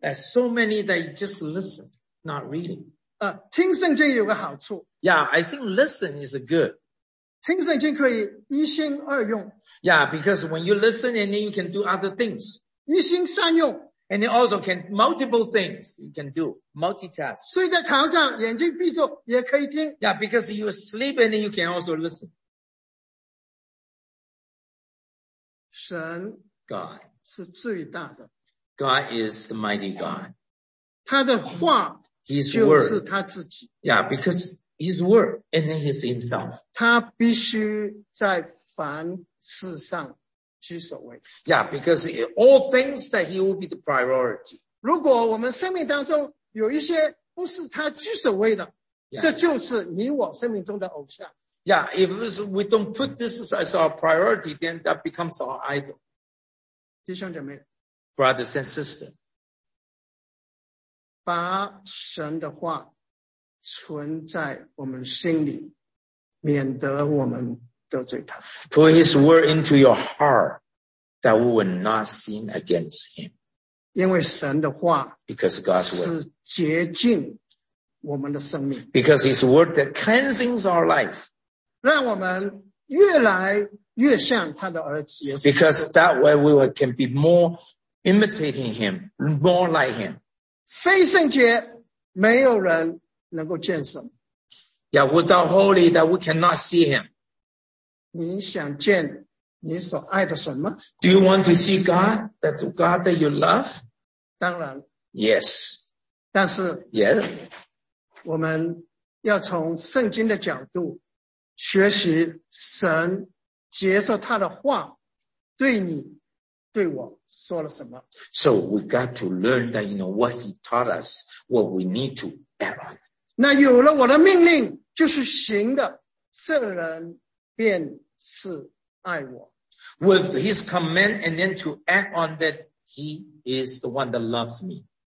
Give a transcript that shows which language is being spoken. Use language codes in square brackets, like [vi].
[en] There's so many that you just listen, not reading. [zh] 听圣经有个好处。 [en] Yeah, I think listen is good. [zh] 听圣经可以一心二用。 [en] Yeah, because when you listen and then you can do other things. [zh] 一心三用。 [en] And it also can multiple things you can do, multitask. [zh] 睡在床上眼睛闭着也可以听。 [en] Yeah, because you sleep and then you can also listen. [zh] 神 [en] God [zh] 是最大的。 [en] God is the mighty God. [zh] 他的话 [en] His word. [zh] 就是他自己。 [en] Yeah, because his word and then his himself. [zh] 他必须在凡事上居首位。 [en] Yeah, because in all things that he will be the priority. [zh] 如果我们生命当中有一些不是他居首位的 yeah, 这就是你我生命中的偶像。 [en] Yeah, if we don't put this as our priority, then that becomes our idol. [zh] 弟兄姐妹。 [en] Brothers and sisters. [zh] 把神的话存在我们心里，免得我们得罪他。 [en] Put his word into your heart that we will not sin against him. [zh] 因为神的话 [en] Because God's word. [zh] 是洁净我们的生命。 [en] Because his word that cleanses our life. [zh] 让我们越来越像他的儿子耶稣。 [en] Because that way we can be more imitating him, more like him. [zh] 非圣洁没有人能够见神。 [en] Yeah, without holy that we cannot see him. [zh] 你想见你所爱的神吗? [en] Do you want to see God, that God that you love? [zh] 当然。 [en] Yes. [zh] 但是 [en] Yes. [zh] 我们要从圣经的角度学习神接着他的话对你对我说了什么。 [en] So we got to learn that, you know, what he taught us, what we need to act on. [zh] 那有了我的命令就是行的，这人便是爱我。 [en] With his command and then to act on that, he is the one that loves me.